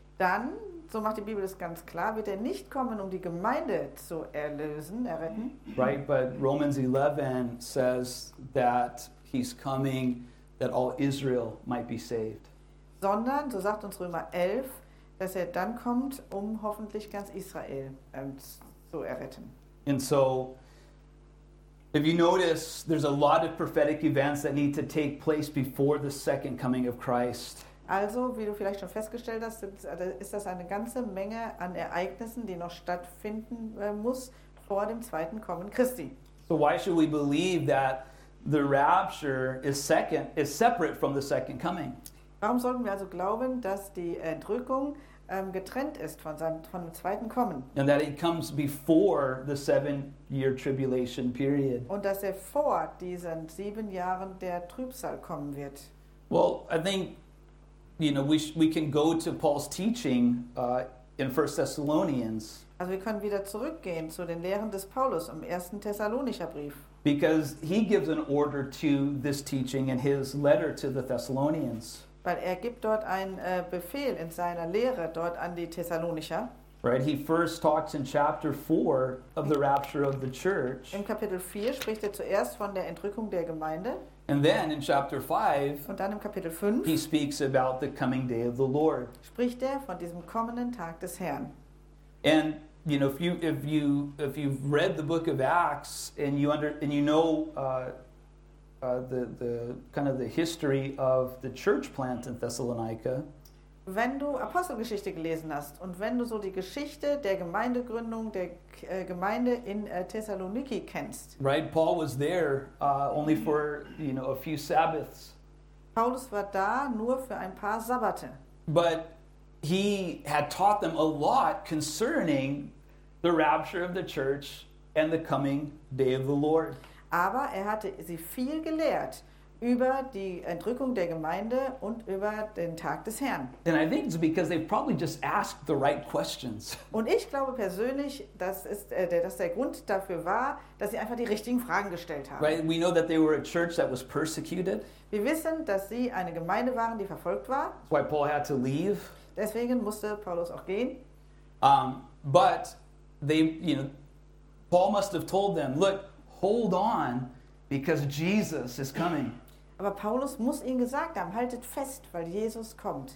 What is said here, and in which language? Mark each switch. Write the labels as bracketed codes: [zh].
[de] Dann, so macht die Bibel es ganz klar, wird er nicht kommen, um die Gemeinde zu erretten. [en] Right, but Romans 11 says that he's coming that all Israel might be saved. [de] Sondern, so sagt uns Römer 11, dass er dann kommt, um hoffentlich ganz Israel zu erretten. [en] And so, if you notice, there's a lot of prophetic events that need to take place before the second coming of Christ. [de] Also, wie du vielleicht schon festgestellt hast, ist das eine ganze Menge an Ereignissen, die noch stattfinden muss vor dem zweiten Kommen Christi. [en] So why should we believe that the rapture is separate from the second coming? [de] Warum sollten wir also glauben, dass die Entrückung getrennt ist von dem zweiten Kommen? [en] And that it comes before the 7-year tribulation period. [de] Und dass er vor diesen 7 Jahren der Trübsal kommen wird. [en] Well, I think, you know, we can go to Paul's teaching in 1 Thessalonians. [de] Also wir können wieder zurückgehen zu den Lehren des Paulus im 1. Thessalonicher Brief. [en] Because he gives an order to this teaching in his letter to the Thessalonians. [de] Weil er gibt dort einen Befehl in seiner Lehre dort an die Thessalonicher. [en] Right, he first talks in chapter 4 of the rapture of the church. [de] Im Kapitel 4 spricht er zuerst von der Entrückung der Gemeinde. [en] And then in chapter 5, [de] und dann im Kapitel 5, [en] he speaks about the coming day of the Lord. [de] Spricht er von diesem kommenden Tag des Herrn. [en] And you know, if you've read the book of Acts and you know the kind of the history of the church plant in Thessalonica. [de] Wenn du Apostelgeschichte gelesen hast und wenn du so die Geschichte der Gemeindegründung der Gemeinde in Thessaloniki kennst. [en] Right, Paul was there only for, you know, a few Sabbaths. [de] Paulus war da nur für ein paar Sabbate. [en] But he had taught them a lot concerning the rapture of the church and the coming day of the Lord. [de] Aber er hatte sie viel gelehrt über die Entrückung der Gemeinde und über den Tag des Herrn. [en] And I think it's because they probably just asked the right questions. [de] Und ich glaube persönlich, dass der Grund dafür war, dass sie einfach die richtigen Fragen gestellt haben. [en] Right, we know that they were a church that was persecuted. [de] Wir wissen, dass sie eine Gemeinde waren, die verfolgt war. [en] That's why Paul had to leave. [de] Deswegen musste Paulus auch gehen. [en] But they, you know, Paul must have told them, look, hold on, because Jesus is coming. [de] Aber Paulus muss ihnen gesagt haben, haltet fest, weil Jesus kommt.